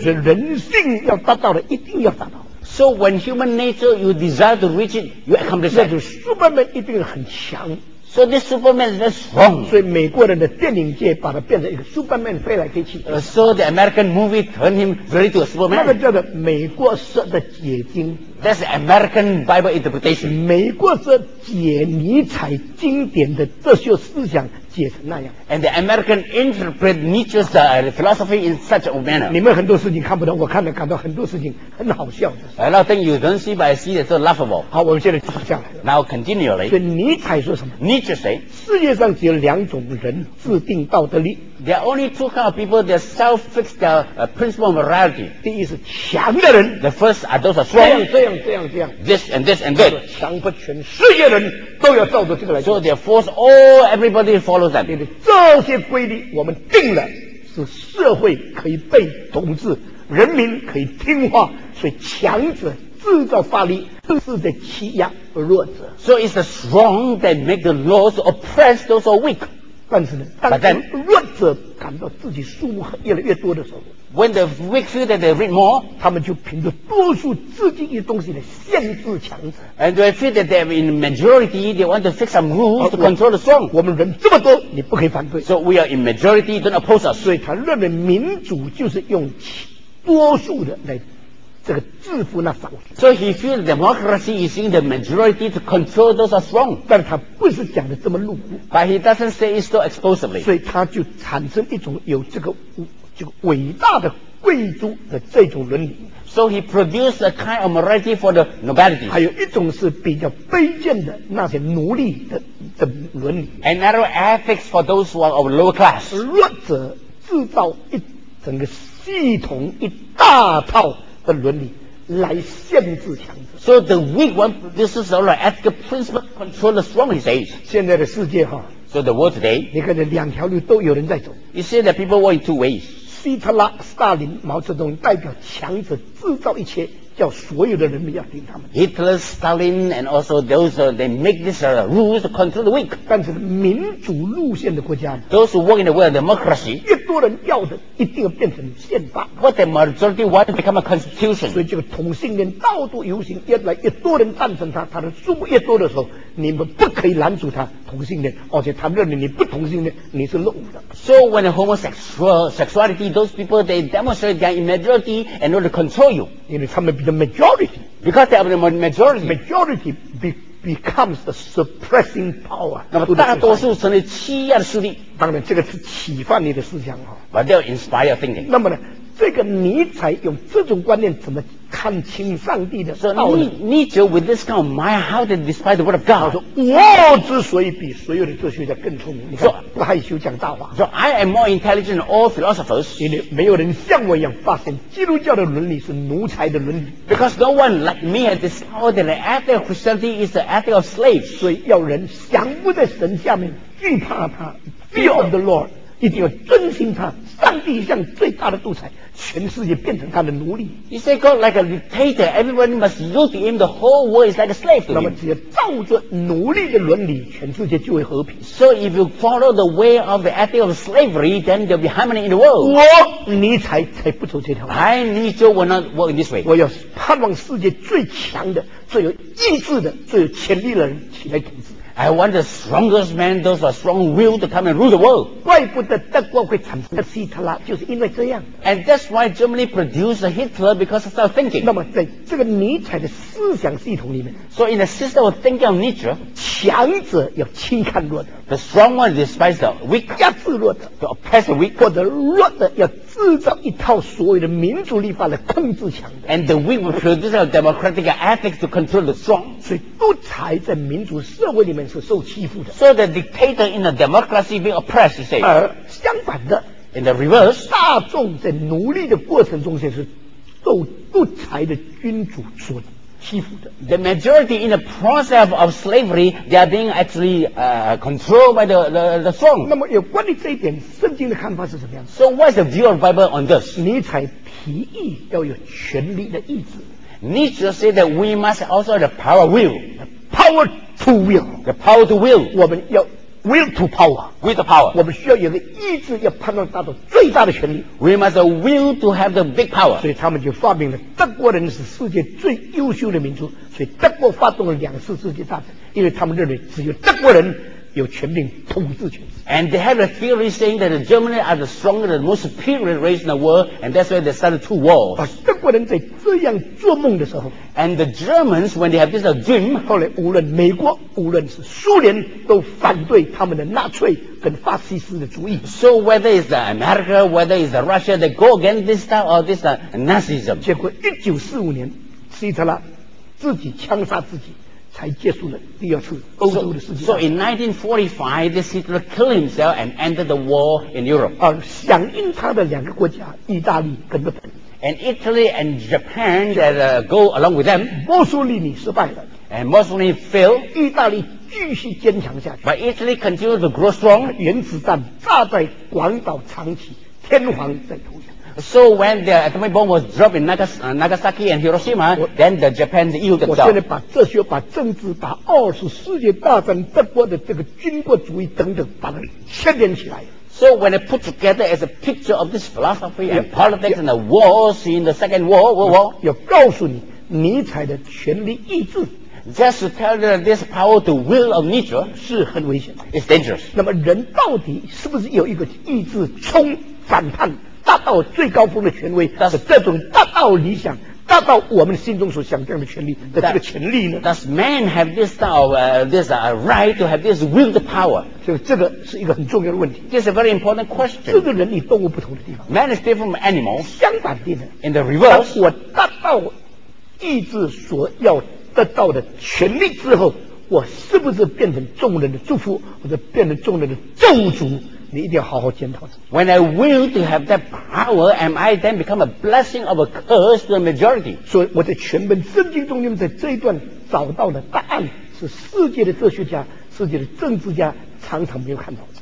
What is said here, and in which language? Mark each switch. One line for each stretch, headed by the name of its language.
Chinese: 是人性要达到的，一定要达到。
English: So when human nature you desire to reach it, you accomplish it.
Chinese: 那就 Superman 一定很强。
English: So this Superman is very strong.
Chinese: 所以美国人的电影界把它变成一个 Superman 飞来飞去。
English: So the American movie turned him really to a Superman.
Chinese: 那个叫做美国式的解经。
English: That's American Bible interpretation.
Chinese: 美国式解尼采经典的哲学思想解成那样。
English: And the American interpret Nietzsche's philosophy in such a manner.
Chinese: 你们很多事情看不懂，我看了感到很多事情很好笑。
English: A lot of things you don't see, but I see it's so laughable.
Chinese: 好，我们现在下来。
English: Now continually.
Chinese: 所以尼采说什么？
English: Nietzsche say,
Chinese: 世界上只有两种人制定道德律。
English: There are only two kinds of people that self-fix their principle of morality.
Chinese: 第一是强的人。
English: The first are those are strong.
Chinese: 这样。
English: This and this and that.
Chinese: 强迫全世界人都要照着这个来做。
English: So they force all everybody to follow them.
Chinese: 这些规律我们定了，是社会可以被统治，人民可以听话，所以强者制造法律。是在欺压弱者。
English: So it's the strong that make the laws oppress those who are weak.
Chinese: 但是呢，当弱者感到自己书越来越多的时候
English: ，When the weak feel that they read more，
Chinese: 他们就凭着多数自己的东西来限制强者。
English: And they feel that they're in majority, they want to fix some rules to control the strong.
Chinese: 我们人这么多，你不可以反对。
English: So we are in majority, don't oppose us.
Chinese: 所以他认为民主就是用多数的来。这个制服那少数。
English: So he feels democracy is in the majority to control those who are strong.
Chinese: 但他不是讲的这么露骨。
English: But he doesn't say it so explosively.
Chinese: 所以他就产生一种有这个伟大的贵族的这种伦理。
English: So he produced a kind of morality for the nobility.
Chinese: 还有一种是比较卑贱的那些奴隶的伦理。
English: Another ethics for those who are of lower class.
Chinese: 弱者制造一整个系统一大套。的伦理来限制强者。
English: So the weak one, this is all right. Ethical principle control the strong, he says.
Chinese: 现在的世界哈。
English: So the world today.
Chinese: 你看这两条路都有人在走。
English: You see that people walk in two ways.
Chinese: 希特拉、斯大林、毛泽东代表强者制造一切，叫所有的人民要听他们。
English: Hitler, Stalin, and also those they make these rules to control the weak.
Chinese: 但是民主路线的国家。
English: Those who walk in the way of democracy.
Chinese: 多人要的一定要变成宪法。
English: What the majority want become a constitution.
Chinese: 所以这个同性恋到处游行，越来越多人赞成他，他的数目越多的时候，你们不可以拦阻他同性恋，而且他认为你不同性恋，你是落伍的。
English: So when the homosexuality, those people they demonstrate their immaturity in order to control you.
Chinese: 因为他们比较 majority.
English: Because they are the majority. Majority becomes the suppressing power.
Chinese: 那么大多数成为欺压的势力。当然这个是启发你的思想、哦、
English: But they'll inspire thinking.
Chinese: 那么呢这个尼采用这种观念怎么看清上帝的道理
English: So Nietzsche with this kind of mind how to despise the word of God.
Chinese: 我之所以比所有的哲学家更聪明你看 不害羞讲大话
English: So I am more intelligent than all philosophers.
Chinese: 因为没有人像我一样发现基督教的伦理是奴才的伦理
English: Because no one like me has discovered that the ethic of Christianity is the ethic of slaves.
Chinese: 所以要人降服在神下面敬怕他
English: Fear of the Lord,
Chinese: 一定要遵循他。上帝像最大的独裁，全世界变成他的奴隶。
English: He said God like a dictator, everyone must yield to him. The whole world is like a slave to him.
Chinese: 那么只要照着奴隶的伦理，全世界就会和平。
English: So if you follow the way of the ethic of slavery, then there'll be harmony in the world.
Chinese: 我尼采才不走这条路。
English: I Nietzsche will not walk in this way.
Chinese: 我要盼望世界最强的、最有意志的、最有潜力的人起来统治。
English: I want the strongest man, those who are strong will to come and rule the world.
Chinese: 怪不得德国会产生希特拉，就是因为这样。
English: And that's why Germany produced Hitler because of their thinking.
Chinese: 那么在这个尼采的思想系统里面
English: ，So in the system of thinking of Nietzsche,
Chinese: 强者要轻看弱者
English: ，The strong one despises the weak,
Chinese: 压制弱者
English: ，To oppress the weak,
Chinese: 或者弱者要制造一套所谓的民主立法来控制强者。
English: And the weak will produce a democratic ethics to control the strong.
Chinese: 所以独裁在民主社会里面。是受欺负的
English: So the dictator in a democracy being oppressed, you say.
Chinese: 而相反的
English: In the reverse,
Chinese: 大众在奴隶的过程中是受独裁的君主所欺负的
English: The majority in the process of slavery, they are being actually controlled by the strong.
Chinese: 那么有关于这一点，圣经的看法是什么样
English: So what is the view of the Bible on this?
Chinese: 尼采提议要有权力的意志
English: Nietzsche said that we must also have the power of will. The power to will the power to will
Chinese: 我们要
English: will to power with the power
Chinese: 我们需要有个意志要盼望达到最大的权力
English: we must will to have the big power
Chinese: 所以他们就发明了德国人是世界最优秀的民族所以德国发动了两次世界大战因为他们认为只有德国人有权柄统治全世界。
English: And they had a theory saying that the Germany are the strongest, the most superior race in the world, and that's why they started two wars.
Chinese: 德国人在这样做梦的时候
English: ，And the Germans when they have this dream，
Chinese: 后来无论美国，无论是苏联，都反对他们的纳粹跟法西斯的主义。
English: So whether it's the America, whether it's the Russia, they go against this style or this Nazism。
Chinese: 结果1945年，希特勒自己枪杀自己。才结束了第二次欧洲的世界。
English: So in 1945, this Hitler killed himself and ended the war in Europe.
Chinese: 响应他的两个国家，意大利跟着。
English: And Italy and Japan that go along with them.
Chinese: Mussolini 失败了。
English: And Mussolini failed.
Chinese: 意大利继续坚强下去。
English: But Italy continued to grow strong.
Chinese: 原子弹炸在广岛长崎，天皇在投降。
English: So when the atomic bomb was dropped in Nagasaki and Hiroshima, then the Japan yielded itself.
Chinese: 我现在把哲学、把政治、把二次世界大战、德国的这个军国主义等等，把它牵连起来。
English: So when I put together as a picture of this philosophy and politics and the wars in the Second World War,
Chinese: 要告诉你尼采的权力意志。
English: Just to tell you that this power, the will of nature,
Chinese: 是很危险。
English: It's dangerous.
Chinese: 那么人到底是不是有一个意志冲反叛？达到最高峰的权威，但是这种达到理想，达到我们心中所想象的权利的这个权利呢
English: ？Does man have this style, this right to have this will, the power？
Chinese: 所以这个是一个很重要的问题。
English: This is a very important question。
Chinese: 这个人与动物不同的地方
English: ，man is different from animals。
Chinese: 相反的呢
English: ？In the reverse，
Chinese: 我达到意志所要得到的权利之后，我是不是变成众人的祝福，或者变成众人的咒诅？你一定要好好检讨。
English: When I will to have that power, am I then become a blessing or a curse to the majority?
Chinese: 所以我在全本圣经中间，在这一段找到的答案是世界的哲学家、世界的政治家常常没有看到的。